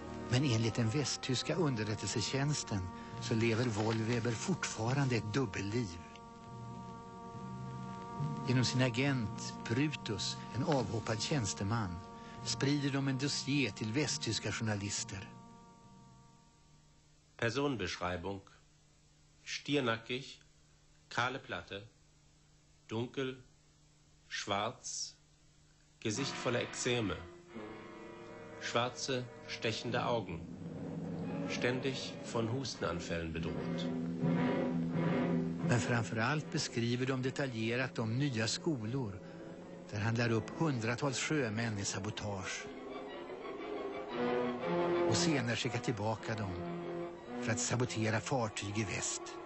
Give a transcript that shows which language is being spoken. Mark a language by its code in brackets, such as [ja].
[sv] Men enligt den västtyska underrättelsetjänsten så lever Wollweber fortfarande ett dubbelliv. Genom sin agent Brutus, en avhoppad tjänsteman, sprider de en dossié till västtyska journalister. [de] Personbeschreibung. Stiernackig, kahle Platte, dunkel, schwarz, Gesicht voller Ekzeme, schwarze, stechende Augen, ständig von Hustenanfällen bedroht. [sv] Men framför allt beskriver de detaljerat de nya skolor, där han lär upp hundratals sjömän i sabotage. Och senare skickar tillbaka dem för att sabotera fartyg i väst.